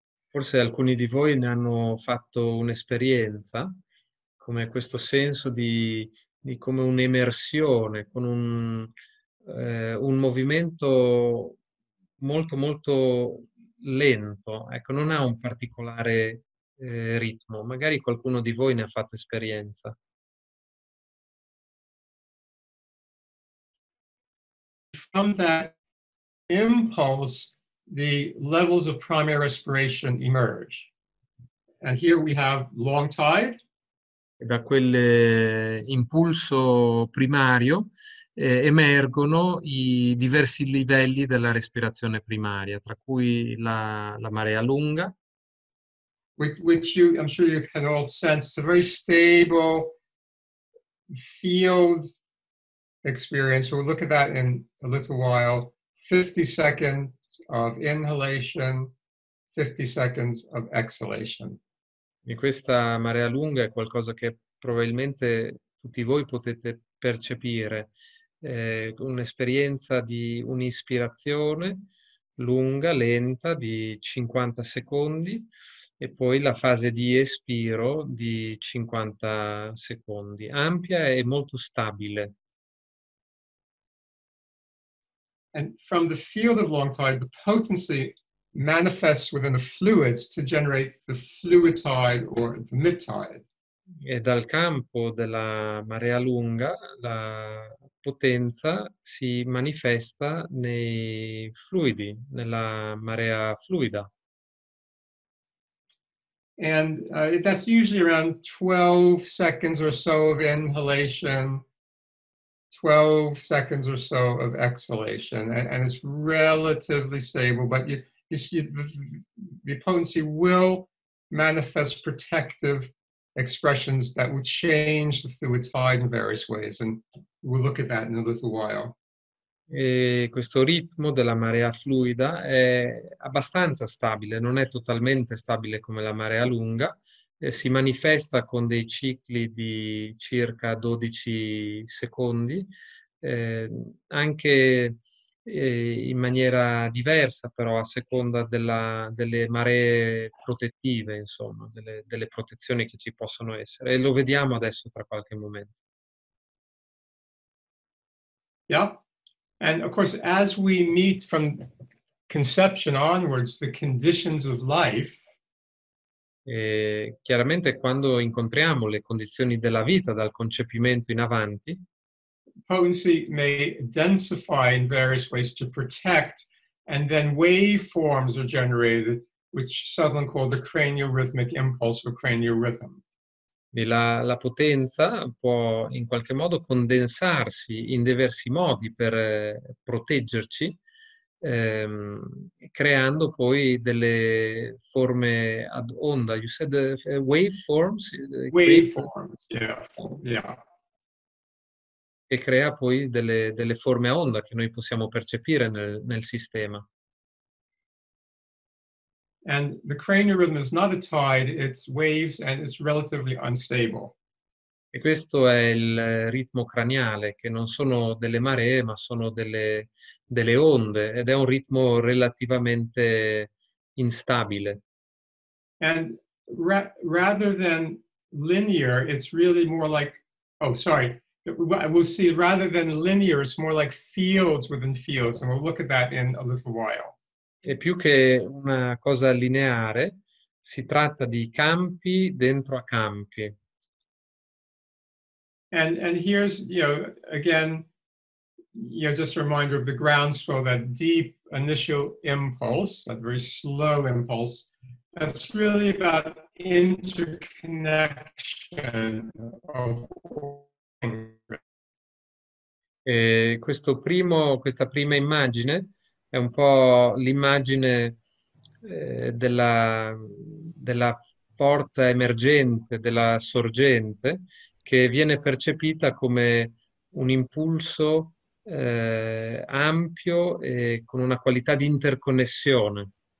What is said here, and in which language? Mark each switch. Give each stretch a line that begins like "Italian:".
Italian: Forse alcuni di voi ne hanno fatto un'esperienza, come questo senso di come un'emersione, con un movimento molto, molto lento. Ecco, non ha un particolare ritmo. Magari qualcuno di voi ne ha fatto esperienza.
English: From that impulse, the levels of primary respiration emerge. And here we have long tide.
Italian: Da quel impulso primario emergono i diversi livelli della respirazione primaria, tra cui la marea lunga.
English: Which you, I'm sure you can all sense, it's a very stable field experience. We'll look at that in a little while. 50 seconds of inhalation, 50 seconds of exhalation.
Italian: E questa marea lunga è qualcosa che probabilmente tutti voi potete percepire. Un'esperienza di un'ispirazione lunga, lenta, di 50 secondi, e poi la fase di espiro di 50 secondi, ampia e molto stabile.
English: And from the field of long tide, the potency manifests within the fluids to generate the fluid tide or the mid tide.
Italian: e dal campo della marea lunga la potenza si manifesta nei fluidi, nella marea fluida.
English: And that's usually around 12 seconds or so of inhalation, 12 seconds or so of exhalation, and it's relatively stable, but you see the potency will manifest protective expressions that would change the fluid tide in various ways, and we'll look at that in a little while.
Italian: E questo ritmo della marea fluida è abbastanza stabile, non è totalmente stabile come la marea lunga, si manifesta con dei cicli di circa 12 secondi, anche in maniera diversa però a seconda delle maree protettive, insomma, delle protezioni che ci possono essere, e lo vediamo adesso tra qualche momento.
English: Yeah. And of course, as we meet from conception onwards, the conditions of life.
Italian: E chiaramente, quando incontriamo le condizioni della vita dal concepimento in avanti,
English: potency may densify in various ways to protect, and then waveforms are generated, which Sutherland called the craniorhythmic impulse or craniorhythm.
Italian: La potenza può in qualche modo condensarsi in diversi modi per proteggerci, creando poi delle forme ad onda.
English: You said waveforms? Waveforms, yeah.
Italian: Che crea poi delle forme a onda che noi possiamo percepire nel sistema.
English: And the cranial rhythm is not a tide, it's waves, and it's relatively unstable.
Italian: E questo è il ritmo craniale, che non sono delle maree, ma sono delle onde, ed è un ritmo relativamente instabile.
English: And rather than linear, it's really more like, rather than linear, it's more like fields within fields, and we'll look at that in a little while.
Italian: E più che una cosa lineare, si tratta di campi dentro a campi.
English: And here's, again, just a reminder of the groundswell, that deep initial impulse, that very slow impulse, that's really about interconnection of things.
Italian: E questa prima immagine è un po' l'immagine della porta emergente, della sorgente, che viene percepita come un impulso ampio e con una qualità di interconnessione.